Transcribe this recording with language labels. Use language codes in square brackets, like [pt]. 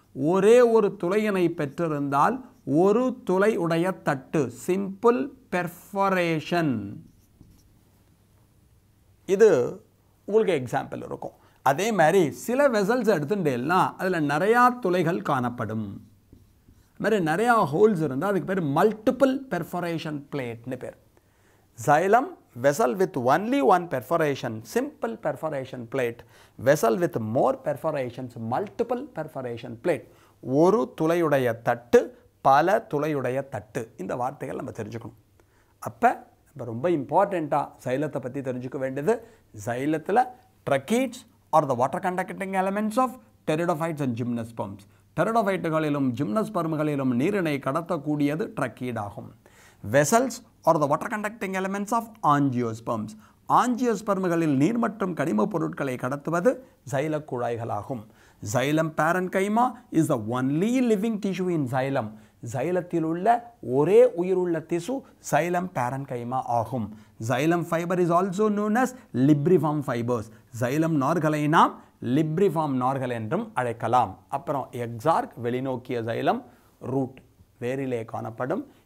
[ta] ஒரே ஒரு துளையினை பெற்றிருந்தால் ஒரு துளை உடைய தட்டு, சிம்பிள் பெர்ஃபரேஷன். இது உங்களுக்கு எக்ஸாம்பிள் இருக்கும். அதே மாதிரி சில வெசல்ஸ் எடுத்துட்டேல்னா அதில் நிறையா துளைகள் காணப்படும். மாதிரி நிறையா ஹோல்ஸ் இருந்தால் அதுக்கு பேர் மல்டிபிள் பெர்ஃபரேஷன் பிளேட்னு பேர். [en] Xylem vessel with only one perforation, simple perforation plate. Vessel with more perforations, multiple perforation plate. [ta] ஒரு துளையுடைய தட்டு, பல துளையுடைய தட்டு. இந்த வார்த்தைகள் நம்ம தெரிஞ்சுக்கணும். அப்போ இப்போ ரொம்ப இம்பார்ட்டண்ட்டாக சைலத்தை பற்றி தெரிஞ்சுக்க வேண்டியது, சைலத்தில் [en] Tracheids are the water conducting elements of pteridophytes and gymnosperms. [ta] Pteridophyte-களிலும் gymnosperm-களிலும் நீரினை கடத்தக்கூடியது tracheid ஆகும். [en] Vessels are the water conducting elements of angiosperms. [ta] Angiosperm-களில் நீர் மற்றும் கனிமப் பொருட்களை கடத்துவது சைல குழாய்களாகும். [en] Xylem Parenchyma is the only living tissue in xylem. [ta] Xylem-த்தில் உள்ள ஒரே உயிருள்ள திசு Xylem Parenchyma ஆகும். [en] Xylem fiber is also known as libriform fibers. [ta] Xylem நார்களை நாம் libriform நார்கள் என்றும் அழைக்கலாம். அப்புறம் exarch வெளிநோக்கிய xylem, root வேரிலே காணப்படும்.